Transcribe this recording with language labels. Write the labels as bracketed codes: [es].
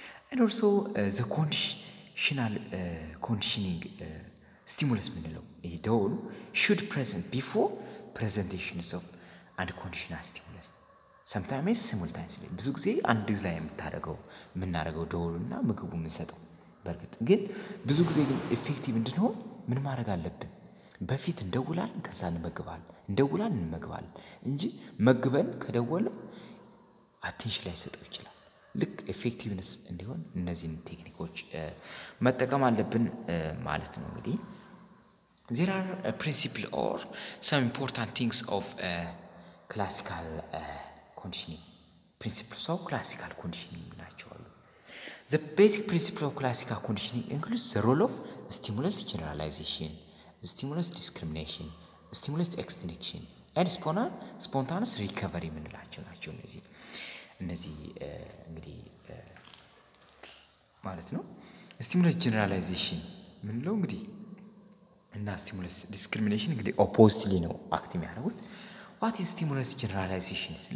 [en] ኤንድ ኦልሶ ዘ ኮንዲሽናል ኮንዲሽኒንግ ስቲሙለስ [am] ምንለው ይህ ደውሉ [en] ሹድ ፕሬዘንት ቢፎር ፕሬዘንቴሽንስ ኦፍ አንድ ኮንዲሽናል ስቲሙለስ ሰምታይምስ ሲሙልታይንስሊ። [am] ብዙ ጊዜ አንድ ጊዜ ላይ የምናደርገው ደውሉ እና ምግቡ የምንሰጠው በእርግጥ ግን ብዙ ጊዜ ግን ኢፌክቲቭ እንድንሆን ምን ማድረግ አለብን? በፊት እንደውላል ከዛ እንመግባል እንደውላል እንመግባል እንጂ መግበን ከደወለ አቴንሽን ላይ ሰጠው ይችላል። ልክ ኤፌክቲቭነስ እንዲሆን እነዚህን ቴክኒኮች መጠቀም አለብን ማለት ነው። እንግዲህ [en] there are a principle or some important things of classical conditioning principles of classical conditioning ናቸው። The basic principle of classical conditioning includes the role of stimulus generalization, stimulus discrimination, stimulus extinction, and spontaneous recovery. [am] ምን ላቸው ናቸው እነዚህ? እነዚህ እንግዲህ ማለት ነው stimulus generalization ምን ነው እንግዲህ እና stimulus discrimination እንግዲህ oppositely ነው አክቲም ያደርጉት። [en] What is stimulus generalization?